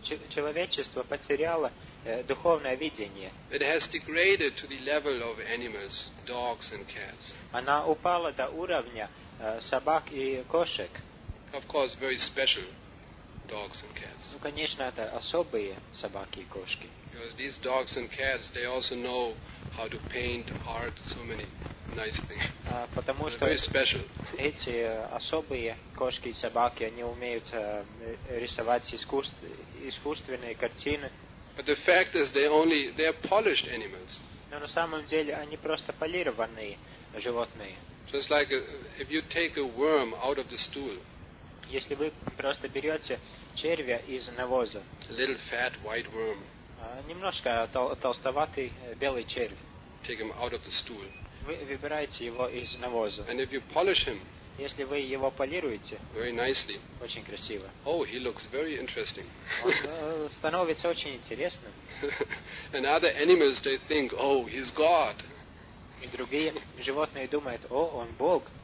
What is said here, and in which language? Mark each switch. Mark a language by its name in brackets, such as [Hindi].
[Russian] Человечество потеряло духовное видение. [English] It has degraded to the level of animals, dogs and cats. [Russian] Она упала до уровня собак и кошек. [English] Of course, very special dogs and cats. [Russian] Ну, конечно, это особые собаки и кошки. [English] Because these dogs and cats, they also know how to paint, art, so many nice things. [Russian] Потому что [English] very special. [Russian] Эти особые кошки и собаки, они умеют рисовать искусственные картины. [English] But the fact is, they are polished animals. [Russian] Но на самом деле они просто полированные животные. [English] Just like if you take a worm out of the stool. [Russian] Если вы просто берете червя из навоза. [English] A little fat white worm. [Russian] Немножко толстоватый белый червь. [English] Take him out of the stool. [Russian] Вы выбираете его из навоза. [English] And if you polish him. [Russian] Если вы его полируете. [English] Very nicely. [Russian] Очень красиво. [English] Oh, he looks very interesting. [Russian] Он становится очень интересным. [English] And other animals, they think, oh, he's God. [Russian] И другие животные думают, о, он Бог.